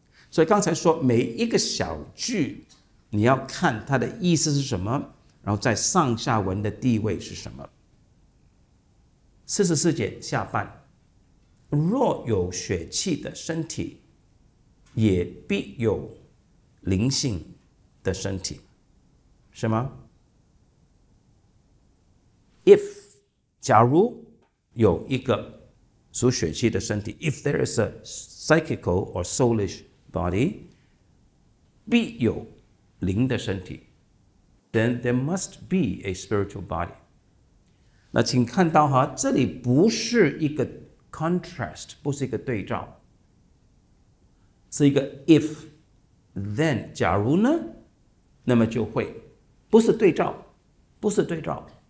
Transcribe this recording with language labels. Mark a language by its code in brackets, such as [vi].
[zh] 所以刚才说每一个小句你要看它的意思是什么，然后在上下文的地位是什么。四十四节下半，若有血气的身体，也必有灵性的身体，是吗？ [en] If [zh] 假如有一个属血气的身体， [en] If there is a psychical or soulish body， [zh] 必有灵的身体， [en] Then there must be a spiritual body。 [zh] 那请看到这里不是一个contrast， 不是一个对照，是一个 if then， 假如呢那么就会，不是对照，不是对照。